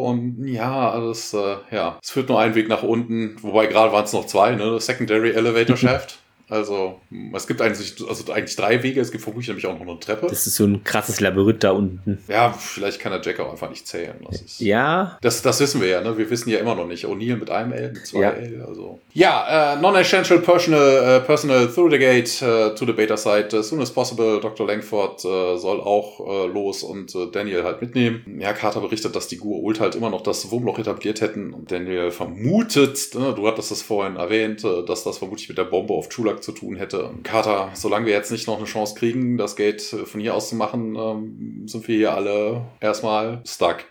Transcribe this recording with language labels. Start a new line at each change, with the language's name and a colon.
German: Und es führt nur einen Weg nach unten. Wobei gerade waren es noch zwei, ne?
English: Secondary Elevator Shaft.
German: Also es gibt eigentlich, also eigentlich drei Wege. Es gibt vermutlich nämlich auch noch eine Treppe. Das ist so ein krasses Labyrinth da unten. Ja, vielleicht kann der Jack auch einfach nicht zählen. Das ist, ja. Das wissen wir ja, ne? Wir wissen ja immer noch nicht. O'Neill mit einem L, mit zwei ja. L. Also.
English: Ja, non-essential personal through the gate to the beta site. As soon as possible, Dr.
German: Langford soll auch los und Daniel halt mitnehmen. Ja, Carter berichtet, dass die Gua Ult halt immer noch das Wurmloch etabliert hätten. Und Daniel vermutet, ne, du hattest das vorhin erwähnt, dass das vermutlich mit der Bombe auf Chulak zu tun hätte. Carter, solange wir jetzt nicht noch eine Chance kriegen, das Gate von hier aus zu machen, sind wir hier alle erstmal stuck.